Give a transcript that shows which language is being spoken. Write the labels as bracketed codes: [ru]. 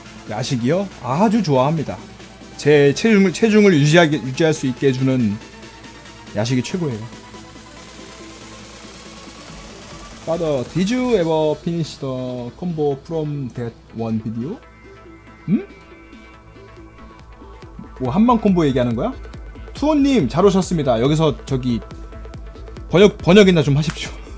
[ko] 야식이요? 아주 좋아합니다. 제 체중을 유지할 수 있게 해주는 야식이 최고예요. [en] Father, did you ever finish the combo from that one video? 음? [ko] 뭐 한방 콤보 얘기하는 거야? 투원님 잘 오셨습니다. 여기서 저기 번역이나 좀 하십시오.